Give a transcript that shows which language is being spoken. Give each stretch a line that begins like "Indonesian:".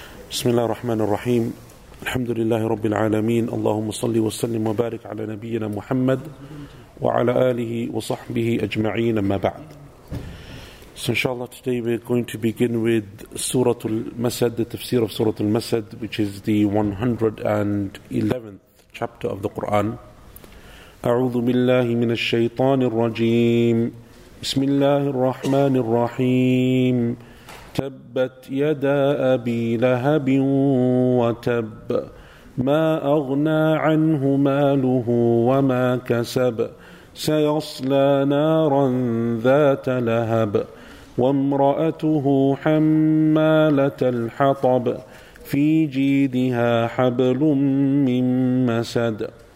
Arabic: بسم الله الرحمن الرحيم الحمد لله رب العالمين اللهم صل وسلم وبارك على نبينا محمد وعلى آله وصحبه أجمعين أما بعد.
English: So inshallah today we're going to begin with Surah Al-Masad, the tafsir of Surah Al-Masad, which is the 111th chapter of the Quran.
Arabic: أعوذ بالله من الشيطان الرجيم بسم الله الرحمن الرحيم تبت يدا أبي لهب وتب ما أغنى عنه ماله وما كسب سيصلى نارا ذات لهب وامرأته حمالة الحطب في جيدها حبل من مسد.